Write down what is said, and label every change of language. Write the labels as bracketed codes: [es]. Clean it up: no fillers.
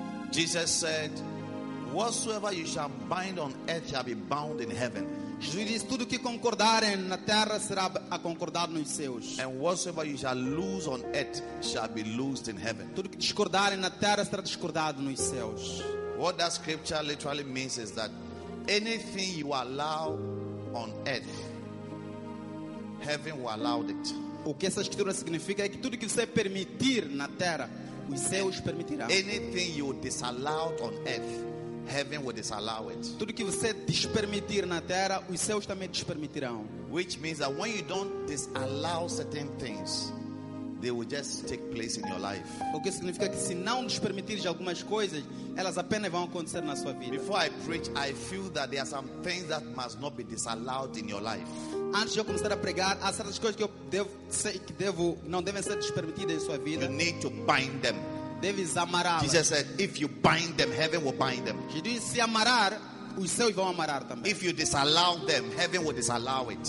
[en] Jesus said, "Whatsoever you shall bind on earth shall be bound in heaven." [pt] Jesus disse, tudo que concordarem na terra será acordado nos céus. [en] And whatsoever you shall lose on earth shall be loosed in heaven. [pt] Tudo que discordarem na terra será discordado nos céus. [en] What that scripture literally means is that anything you allow on earth, heaven will allow it. [pt] O que essa escritura significa é que tudo que você permitir na terra, os céus permitirá. [en] Anything you disallow on earth, heaven will disallow it. [pt] Tudo que você despermitir na terra, os céus também despermitirão. [en] Which means that when you don't disallow certain things, they will just take place in your life. [pt] O que significa que se não despermitires algumas coisas, elas apenas vão acontecer na sua vida. [en] Before I preach, I feel that there are some things that must not be disallowed in your life. [pt] Antes de eu começar a pregar, há certas coisas que eu devo, sei, que devo, não devem ser despermitidas em sua vida. [en] You need to bind them. [pt] Deves amarrá-las. [en] Jesus said, if you bind them, heaven will bind them. [pt] Jesus disse, se amarrar, os céus vão amarrar também. [en] If you disallow them, heaven will disallow it.